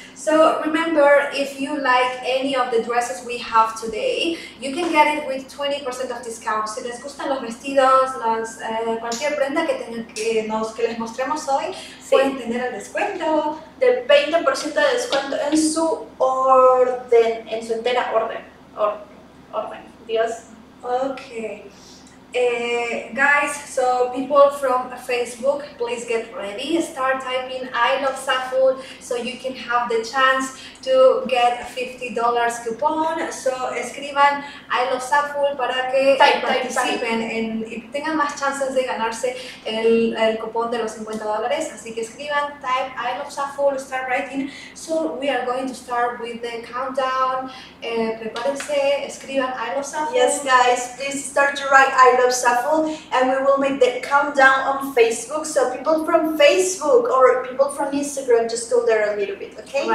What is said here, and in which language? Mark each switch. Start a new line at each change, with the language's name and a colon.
English: So remember, if you like any of the dresses we have today, you can get it with 20% of discount.
Spanish: Si les gustan los vestidos, cualquier prenda que les mostremos hoy, sí. pueden tener el descuento. Del 20% de descuento en su orden, en su entera orden. Orden. Dios.
English: Okay. Guys, so people from Facebook, please get ready. Start typing I love ZAFUL so you can have the chance to get a $50 coupon.
Spanish: So escriban I love ZAFUL para que participen y tengan más chances de ganarse el cupón de los $50. Así que escriban,
English: type I love ZAFUL, start writing. So we are going to start with the countdown.
Spanish: Prepárense, escriban I love ZAFUL.
English: Yes, guys, please start to write I love ZAFUL and we will make the countdown on Facebook. So people from Facebook or people from Instagram, just go there a little bit, okay?